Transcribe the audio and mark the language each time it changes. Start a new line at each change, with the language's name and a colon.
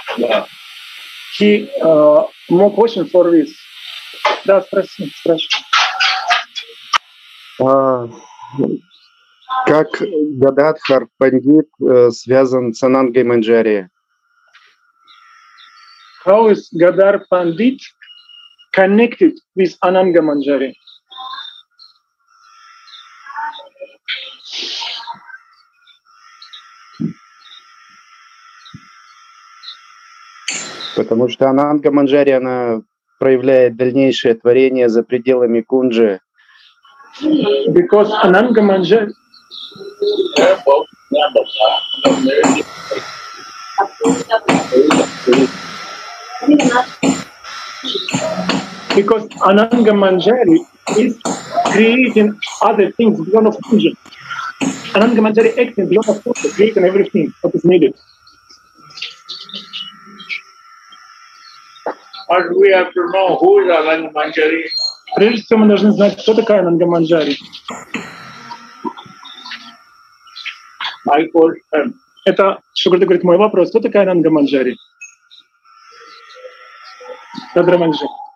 English: Yeah. He, more question for this.
Russian: Да, спроси, спроси. А как Гададхар Пандит связан с Анангой Манджари?
English: How is Gadar Pandit connected with Ananga Manjari?
Russian: Потому что Ананга Манджари, она проявляет дальнейшее творение за пределами кунджи.
English: Because Ananga Manjari... Because Ananga Manjari is creating other things beyond of kunja. Ananga Manjari acting beyond of kunja, creating everything that is needed. But we have to know who is Ananga Manjari.
Russian: Прежде всего мы должны знать, кто такая Ананга Манджари.
English: My question.
Russian: Это Шукрита говорит, мой вопрос, кто такая Ананга Манджари? Дадра Манджари.